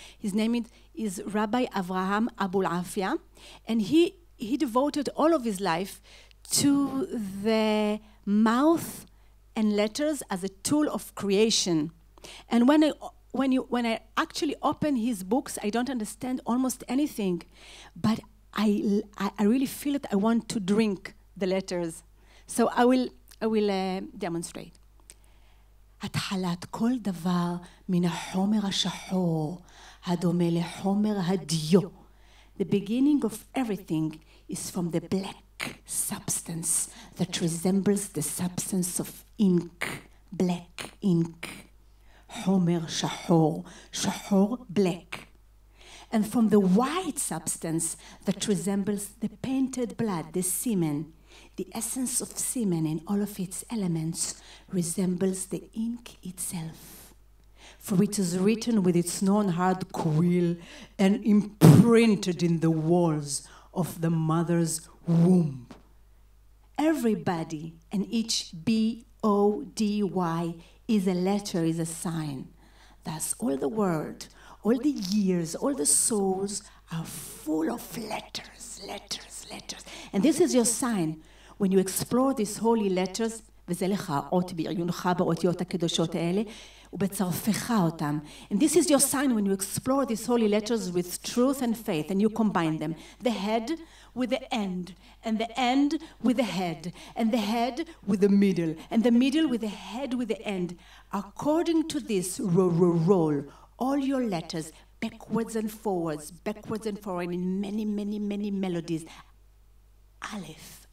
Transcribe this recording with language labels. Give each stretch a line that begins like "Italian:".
English: His name is Rabbi Avraham Abulafia, and he devoted all of his life to the mouth and letters as a tool of creation. And when I actually open his books, I don't understand almost anything, but I really feel that I want to drink the letters. So I will demonstrate.
Hebrew: התחלת כל דבר מן החומר השחור, הדומה לחומר הדיו.
English: The beginning of everything is from the black substance that resembles the substance of ink, black ink. Homer shahor, shahor black. And from the white substance that resembles the painted blood, the semen, the essence of semen in all of its elements resembles the ink itself. For it is written with its known hard quill and imprinted in the walls of the mother's womb. Everybody and each B-O-D-Y is a letter, is a sign. Thus all the world, all the years, all the souls are full of letters, letters, letters. And this is your sign. When you explore these holy letters,
Hebrew: וזה לך האות בעיונך באותיות הקדושות האלה, ובצרפך אותם.
English: And this is your sign when you explore these holy letters with truth and faith, and you combine them. The head with the end, and the end with the head, and the head with the middle, and the middle with the head with the end. According to this roll, all your letters, backwards and forwards, and in many, many, many melodies. Aleph.